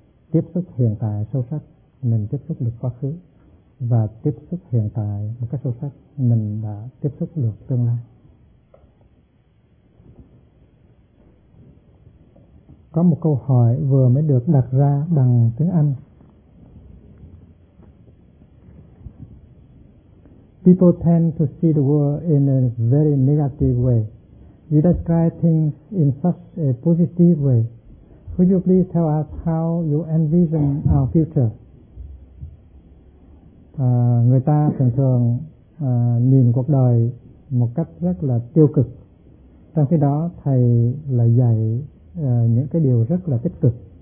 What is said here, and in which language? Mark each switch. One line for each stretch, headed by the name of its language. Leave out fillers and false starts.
Vietnamese: tiếp xúc hiện tại sâu sắc, mình tiếp xúc được quá khứ. Và tiếp xúc hiện tại một cách sâu sắc, mình đã tiếp xúc được tương lai. Có một câu hỏi vừa mới được đặt ra bằng tiếng Anh.
English: People tend to see the world in a very negative way. You describe things in such a positive way. Could you please tell us how you envision our future?
Vietnamese: Người ta thường thường nhìn cuộc đời một cách rất là tiêu cực. Trong khi đó, thầy lại dạy những cái điều rất là tích cực.